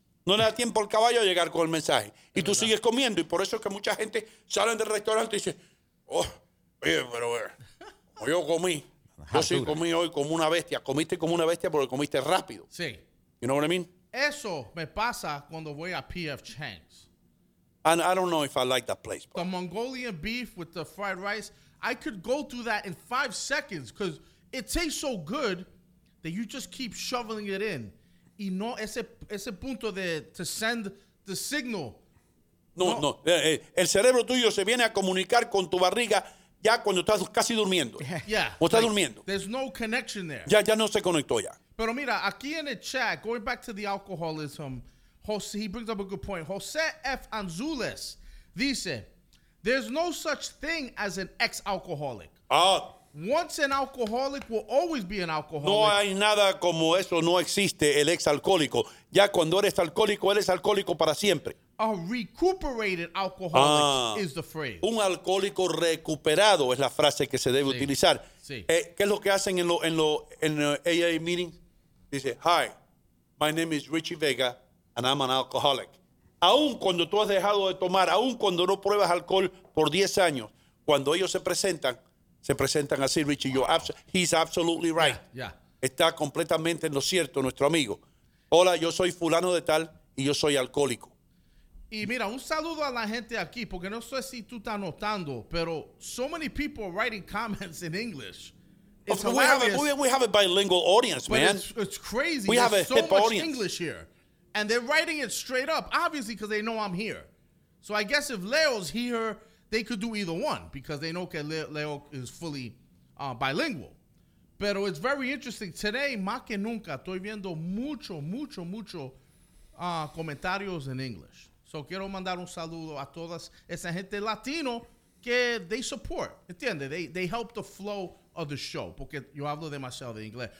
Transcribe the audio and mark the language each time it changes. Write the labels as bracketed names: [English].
[Spanish] No le da tiempo al caballo a llegar con el mensaje. Y tú sigues comiendo. Y por eso es que mucha gente sale del restaurante y dice, oh, oye, pero yo comí. Yo sí comí hoy como una bestia. Comiste como una bestia porque comiste rápido. Sí. [English] You know what I mean? [Spanish] Eso me pasa cuando voy a P.F. [English] Chang's. And I don't know if I like that place. Bro. The Mongolian beef with the fried rice. I could go through that in 5 seconds because it tastes so good that you just keep shoveling it in. [Spanish] Y no ese punto de [English] to send the signal. [Spanish] No. El cerebro tuyo se viene a comunicar con tu barriga ya cuando estás casi durmiendo. [English] Yeah. [Spanish] O estás durmiendo. [English] There's no connection there. [Spanish] Ya no se conectó ya. Pero mira, aquí en el chat, [English] going back to the alcoholism, Jose, he brings up a good point. Jose F. Anzules dice, there's no such thing as an ex-alcoholic. Once an alcoholic will always be an alcoholic. [Spanish] No hay nada como eso, no existe el ex-alcohólico. Ya cuando eres alcohólico, eres alcohólico para siempre. [English] A recuperated alcoholic is the phrase. [Spanish] Un alcohólico recuperado es la frase que se debe utilizar. Sí. ¿Qué es lo que hacen en AA meeting? [English] Dice, hi, my name is Richie Vega and I'm an alcoholic. [Spanish] Aún cuando tú has dejado de tomar, aún cuando no pruebas alcohol por 10 años, cuando ellos se presentan así, Richie, [English] you're he's absolutely right. Yeah, yeah. [Spanish] Está completamente en lo cierto nuestro amigo. Hola, yo soy fulano de tal y yo soy alcohólico. Y mira, un saludo a la gente aquí, porque no sé si tú estás notando, pero [English] so many people are writing comments in English. We have a bilingual audience, but man. It's crazy. We have so much audience. English here. And they're writing it straight up, obviously, because they know I'm here. So I guess if Leo's here, they could do either one, because they know that Leo is fully bilingual. Pero it's very interesting. [Spanish] Today, más que nunca, estoy viendo mucho, mucho, mucho comentarios en English. So quiero mandar un saludo a todas esa gente latino que [English] they support, [Spanish] ¿entiendes? [English] They help the flow of the show, [Spanish] porque yo hablo demasiado de inglés.